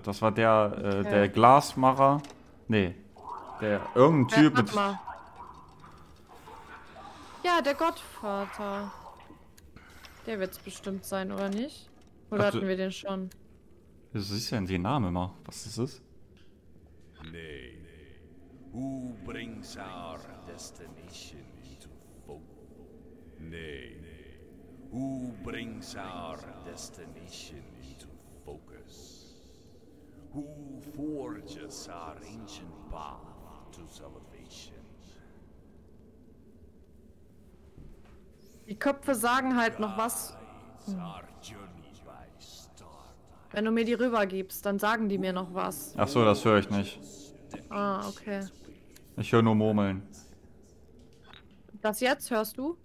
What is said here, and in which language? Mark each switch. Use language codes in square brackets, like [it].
[de] Das war der, der Glasmacher. Nee. Der irgendein Typ mit. Mal. Ja, der Gottvater. Der wird's bestimmt sein, oder nicht? Oder ach, hatten wir den schon? Du siehst ja in den Namen immer. Was ist es? Nee, nee. [en] Who brings our destination into focus? Nee, nee. Who brings our destination into focus? Who forges our ancient path to salvation? [de] Die Köpfe sagen halt noch was. Hm. Wenn du mir die rübergibst, dann sagen die mir noch was. Ach so, das höre ich nicht. Ah, okay. Ich höre nur Murmeln. Das jetzt hörst du?